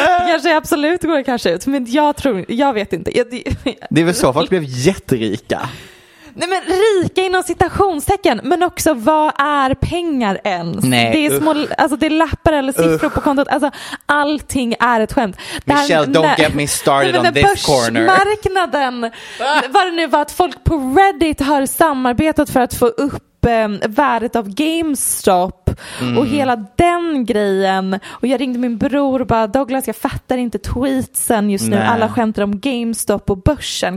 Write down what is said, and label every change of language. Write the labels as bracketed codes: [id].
[sv] Kanske absolut går det kanske ut, men jag tror, jag vet inte. Det är väl så, folk blev jätterika. Nej, men rika inom citationstecken. Men också, vad är pengar ens? Nej. Det är små, alltså det är lappar eller siffror på kontot. Alltså, allting är ett skämt. [en] Michelle, don't get me started on this corner. [sv] Börsmarknaden. Vad det nu var, att folk på Reddit har samarbetat för att få upp värdet av GameStop och hela den grejen. Och jag ringde min bror och bara, Douglas, jag fattar inte tweetsen just nu. Alla skämtar om GameStop och börsen.